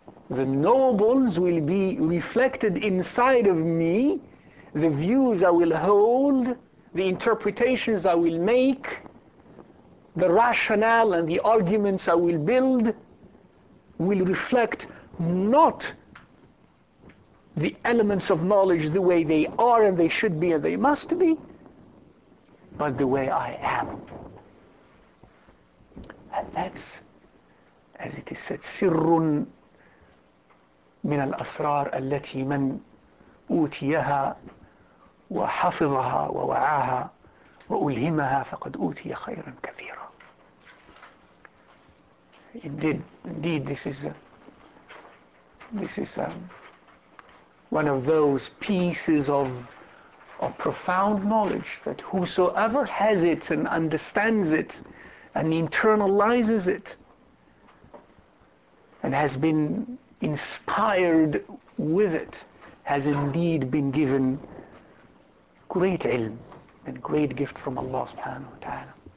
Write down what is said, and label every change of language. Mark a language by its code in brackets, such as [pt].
[en] The nobles will be reflected inside of me, the views I will hold, the interpretations I will make, the rationale and the arguments I will build will reflect not the elements of knowledge the way they are and they should be and they must be, but the way I am. And that's, as it is said, [ar] سِرٌّ مِنَ الْأَسْرَارِ الَّتِي مَنْ أُوْتِيَهَا وَحَفِظَهَا وَوَعَاهَا وَأُلْهِمَهَا فَقَدْ أُوْتِيَ خَيْرًا كَثِيرًا. [en] Indeed, this is one of those pieces of profound knowledge that whosoever has it and understands it and internalizes it and has been inspired with it has indeed been given great ilm and great gift from Allah subhanahu wa ta'ala.